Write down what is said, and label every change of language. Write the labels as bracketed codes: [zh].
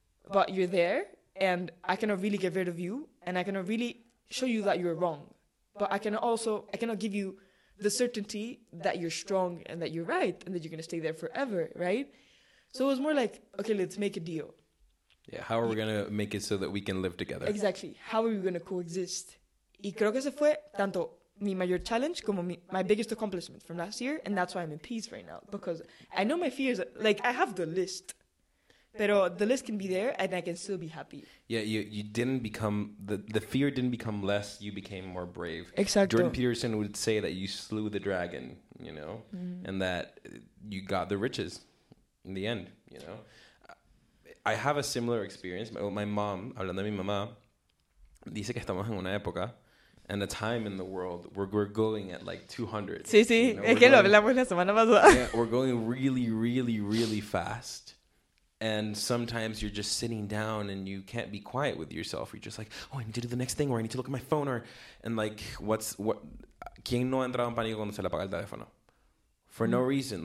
[en] But you're there and I cannot really get rid of you and I cannot really show you that you're wrong. But I cannot give you the certainty that you're strong and that you're right and that you're going to stay there forever, right? So it was more like, okay, let's make a deal. Yeah, how are we going to make it so that we can live together? Exactly. How are we going to coexist? [es] Y creo que ese fue tanto mi mayor challenge como [en] my biggest accomplishment from last year. And that's why I'm in peace right now. Because I know my fears, like, I have the list. [es] Pero [en] the list can be there and I can still be happy. Yeah, you didn't become, the fear didn't become less, you became more brave. Exactly. Jordan Peterson would say that you slew the dragon, you know, and that you got the riches in the end, you know. I have a similar experience. My mom, [es] hablando de mi mamá, dice que estamos en una época... [en] And the time in the world, we're going at like 200. [es] Sí, sí. [en] You know, [es] es que lo hablamos la semana pasada. [en] Yeah, we're going really, really, really fast. And sometimes you're just sitting down and you can't be quiet with yourself. You're just like, oh, I need to do the next thing, or I need to look at my phone, or, and like, [es] ¿quién no ha entrado en pánico cuando se le apaga el teléfono? [en] For no reason.